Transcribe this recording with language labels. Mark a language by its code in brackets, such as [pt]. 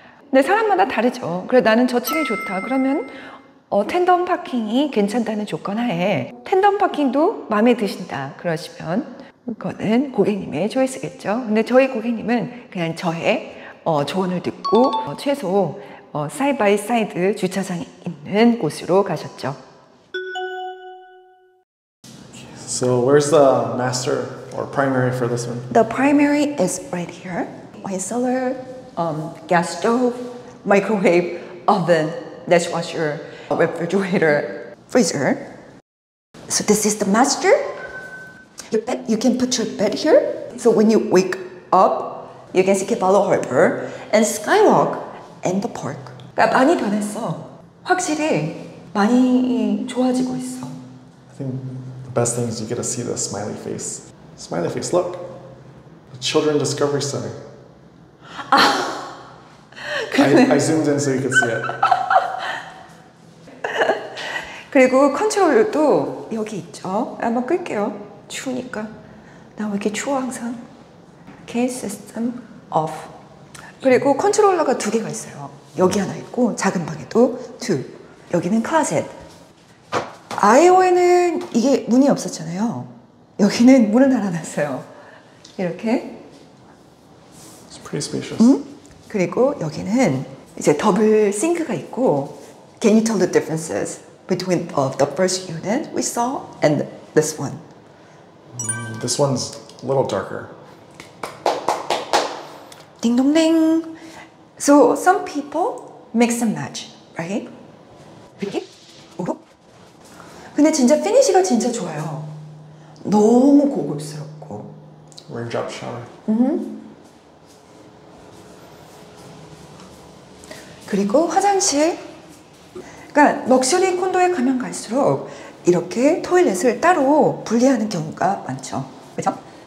[ko] 근데 사람마다 다르죠. 그래 나는 저층이 좋다. 그러면 텐덤 파킹이 괜찮다는 조건 하에 텐덤 파킹도 마음에 드신다. 그러시면 그거는 고객님의 초이스겠죠. 근데 저희 고객님은 그냥 저의 조언을 듣고 최소 사이드 바이 사이드 주차장이 있는 곳으로 가셨죠. [en] So where's the master or primary for this one? The primary is right here. My cellar, gas stove, microwave, oven, dishwasher, refrigerator, freezer. So this is the master. Your bed, you can put your bed here. So when you wake up, you can see Kefalo Harbor and Skywalk and the park. [ko] 많이 변했어. 확실히 많이 좋아지고 있어. [en] I think the best thing is you get to see the smiley face. Smiley face, look. The Children Discovery Center. 아, I zoomed in so you could see it. [ko] 그리고 컨트롤도 여기 있죠. 한번 끌게요. 추우니까. 나 왜 이렇게 추워 항상. [en] Key system off. [ko] 그리고 컨트롤러가 두 개가 있어요. 여기 하나 있고 작은 방에도 두. 여기는 클라젯. 아이오에는 이게 문이 없었잖아요. 여기는 문을 달아놨어요. 이렇게. [en] It's pretty spacious. [ko] 응? 그리고 여기는 이제 더블 싱크가 있고 [en] Can you tell the differences between the first unit we saw and this one? This one's a little darker. [ko] 딩동댕. [en] So some people mix and match, right? [ko] 이렇게? 오로? 근데 진짜 피니쉬가 진짜 좋아요. 너무 고급스럽고. [en] Raindrop shower. [ko] 그리고 화장실. 그러니까 럭셔리 콘도에 가면 갈수록 이렇게 토일렛을 따로 분리하는 경우가 많죠. 그죠?